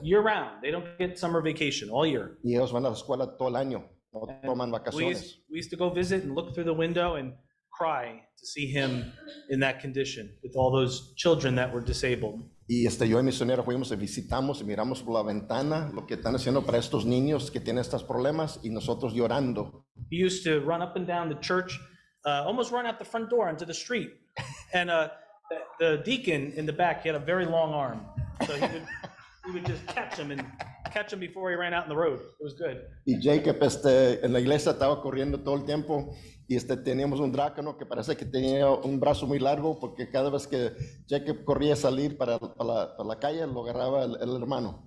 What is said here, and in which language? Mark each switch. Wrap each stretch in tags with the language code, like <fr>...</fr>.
<en>Year round, they don't get summer vacation all year.</en> <es>Y ellos van a la escuela todo el año, no toman vacaciones.</es> <en>We used to go visit and look through the window and cry to see him in that condition with all those children that were disabled.</en> <es>Y yo y mi señora fuimos y visitamos y miramos por la ventana lo que están haciendo para estos niños que tienen estos problemas y nosotros llorando.</es> <en>He used to run up and down the church, almost run out the front door into the street. And the deacon in the back, he had a very long arm. So he would just catch him before he ran out in the road. It was good.</en> <es>Y Jacob en la iglesia estaba corriendo todo el tiempo. Y teníamos un drácano que parece que tenía un brazo muy largo porque cada vez que Jacob corría a salir para la calle, lo agarraba el hermano.</es>